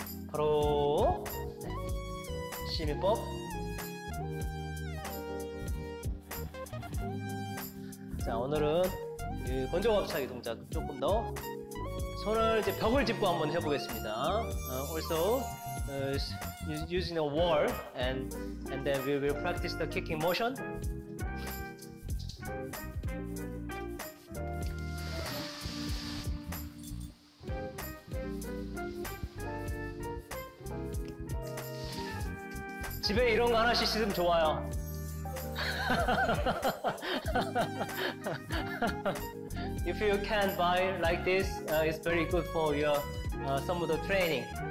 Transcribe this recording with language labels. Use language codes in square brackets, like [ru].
[ko] 바로. 시민법. 자, 오늘은 그 건조갑차기 동작 조금 더. 손을 이제 벽을 짚고 한번 해보겠습니다. [en] Also, using a wall, and then we will practice the kicking motion. [ko] 집에 이런 거 하나씩 있으면 좋아요. [en] If you can buy like this, it's very good for your some of the training.